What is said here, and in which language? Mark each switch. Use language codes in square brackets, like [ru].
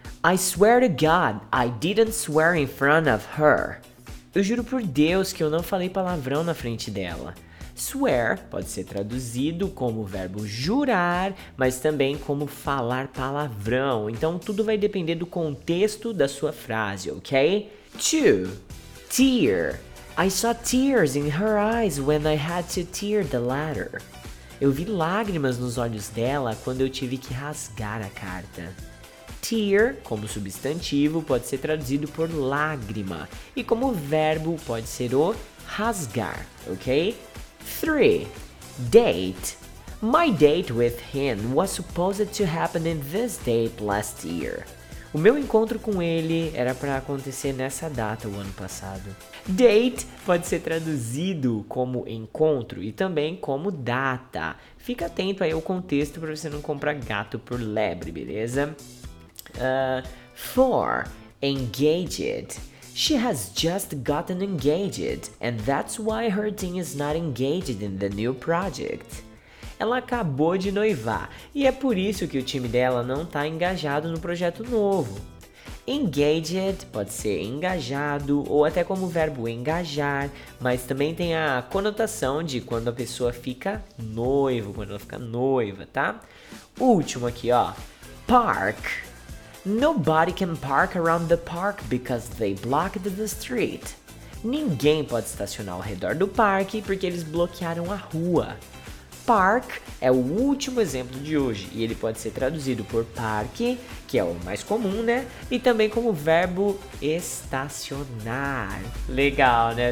[en] I swear to God, I didn't swear in front of her. [pt] Eu juro por Deus que eu não falei palavrão na frente dela. Swear pode ser traduzido como o verbo jurar, mas também como falar palavrão. Então, tudo vai depender do contexto da sua frase, ok? [en] Two, tear. I saw tears in her eyes when I had to tear the letter. [pt] Eu vi lágrimas nos olhos dela quando eu tive que rasgar a carta. Tear, como substantivo, pode ser traduzido por lágrima. E como verbo, pode ser o rasgar, ok? 3. Date. [en] My date with him was supposed to happen in this date last year. [pt] O meu encontro com ele era para acontecer nessa data o ano passado. Date pode ser traduzido como encontro e também como data. Fica atento aí ao contexto para você não comprar gato por lebre, beleza? [en] 4. Engaged. She has just gotten engaged, and that's why her team is not engaged in the new project. [pt] Ela acabou de noivar, e é por isso que o time dela não está engajado no projeto novo. Engaged pode ser engajado, ou até como verbo engajar, mas também tem a conotação de quando a pessoa fica noivo, quando ela fica noiva, tá? Último aqui, ó. Park. [en] Nobody can park around the park because they blocked the street. [pt] Ninguém pode estacionar ao redor do parque porque eles bloquearam a rua. Park é o último exemplo de hoje e ele pode ser traduzido por parque, que é o mais comum, né? E também como verbo estacionar. Legal, né?